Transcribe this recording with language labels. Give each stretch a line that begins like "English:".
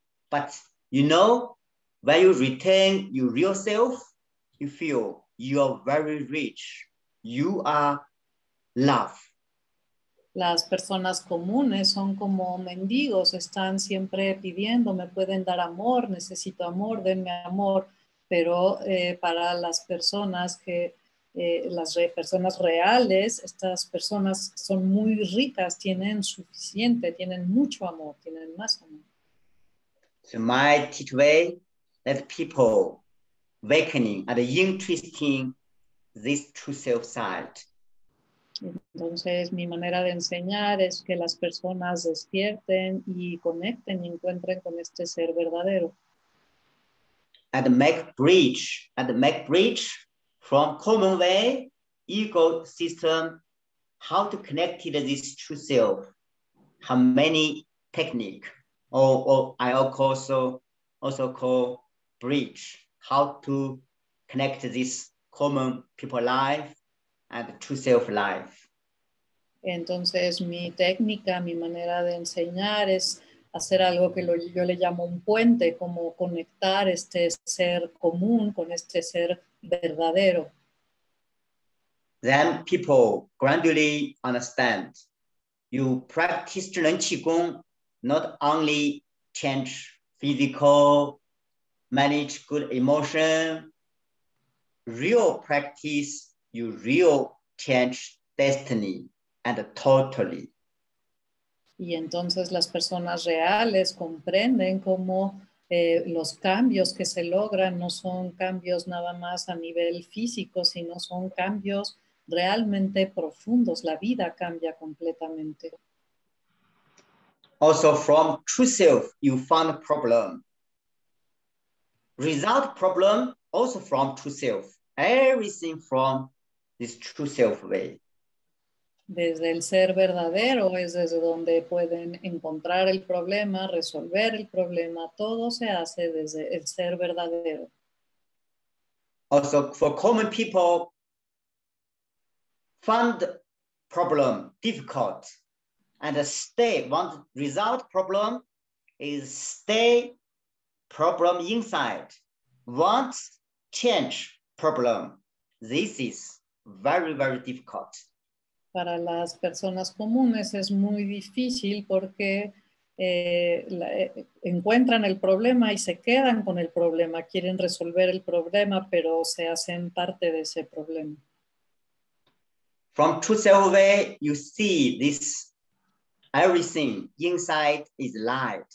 English: But you know, when you retain your real self, you feel you are very rich. You are love.
Spanish: Las personas comunes son como mendigos, están siempre pidiendo, me pueden dar amor, necesito amor, denme amor. Pero para las personas que, personas reales, estas personas son muy ricas, tienen suficiente, tienen mucho amor, tienen más amor.
English: So my takeaway, let people awakening and interesting this true self side.
Spanish: Entonces, mi manera de enseñar es que las personas despierten y conecten y encuentren con este ser verdadero.
English: And make bridge from common way, ego system, how to connect to this true self, how many technique, or I also call bridge, how to connect this common people life and true self life.
Spanish: Entonces, mi técnica, mi manera de enseñar es hacer algo que yo le llamo un puente, como conectar este ser común con este ser verdadero.
English: Then people gradually understand. You practice Ren Qigong, not only change physical, manage good emotion, real practice, you real change destiny. And totally.
Spanish: Y entonces las personas reales comprenden cómo los cambios que se logran no son cambios nada más a nivel físico, sino son cambios realmente profundos. La vida cambia completamente.
English: Also from true self, you find a problem. Result problem also from true self. Everything from this true self way.
Spanish: Desde el ser verdadero es desde donde pueden encontrar el problema, resolver el problema. Todo se hace desde el ser verdadero.
English: Also, for common people, find problem difficult and stay. One result problem is stay problem inside. Want change problem. This is very, very difficult.
Spanish: Para las personas comunes es muy difícil porque encuentran el problema y se quedan con el problema. Quieren resolver el problema, pero se hacen parte de ese problema.
English: From true self, you see this everything inside is light.